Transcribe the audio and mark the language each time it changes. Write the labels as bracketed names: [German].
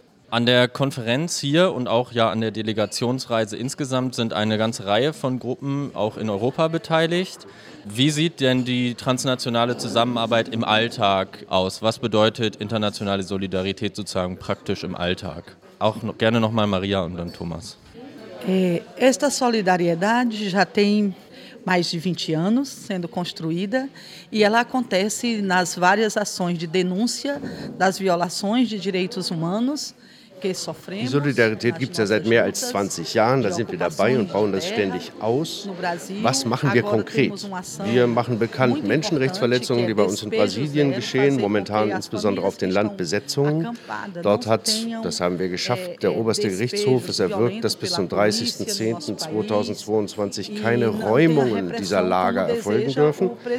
[German] An der Konferenz hier und auch ja an der Delegationsreise insgesamt sind eine ganze Reihe von Gruppen auch in Europa beteiligt. Wie sieht denn die transnationale Zusammenarbeit im Alltag aus? Was bedeutet internationale Solidarität sozusagen praktisch im Alltag? Auch noch, gerne nochmal Maria und dann Thomas. [Portuguese] Esta solidariedade já tem mais de 20 anos sendo construída e ela acontece nas várias ações de denúncia das violações de direitos humanos que sofremos. [German] Die Solidarität gibt es ja seit mehr als 20 Jahren, da sind wir dabei und bauen das ständig aus. Was machen wir konkret? Wir machen bekannt Menschenrechtsverletzungen, die bei uns in Brasilien geschehen, momentan insbesondere auf den Landbesetzungen. Dort hat, das haben wir geschafft, der oberste Gerichtshof es erwirkt, dass bis zum 30.10.2022 keine Räumungen dieser Lager erfolgen dürfen.